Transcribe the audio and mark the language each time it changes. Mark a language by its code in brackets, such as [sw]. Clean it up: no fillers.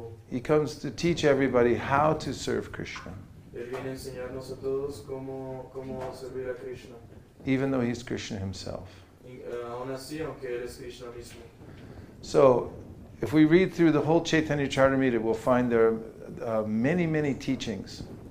[en] He comes to teach everybody how to serve Krishna. [es] Él viene a enseñarnos a todos cómo servir a Krishna. [en] Even though he's Krishna himself. [es] Aun así, aunque él es Krishna mismo. [en] So if we read through the whole Chaitanya Charitamrita, we'll find there are many, many teachings.